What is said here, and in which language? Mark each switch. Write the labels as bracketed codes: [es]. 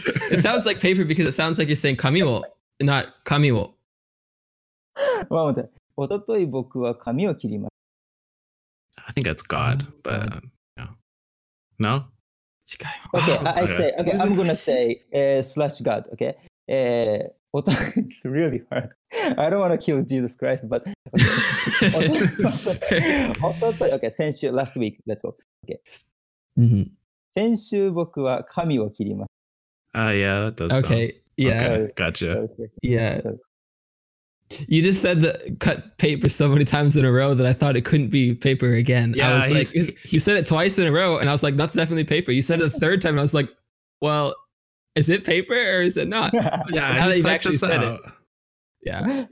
[en] It sounds like paper because it sounds like you're saying 髪を, not 髪を。 [ja] 待って、おととい僕は髪を切りました。 [en] I think that's God, but no? Okay, I'm gonna say slash God. Okay, it's really hard. I don't want to kill Jesus Christ, but okay. Okay, 先週 last week. Let's go. Okay. [ja] 先週僕は髪を切りました。 [en] Yeah, that does. Okay, sound. Yeah, okay, gotcha. Yeah. You just said the cut paper so many times in a row that I thought it couldn't be paper again. Yeah, I was like, you said it twice in a row, and I was like, that's definitely paper. You said it a third time, and I was like, well, is it paper or is it not? Yeah, now that you've actually said it. Yeah.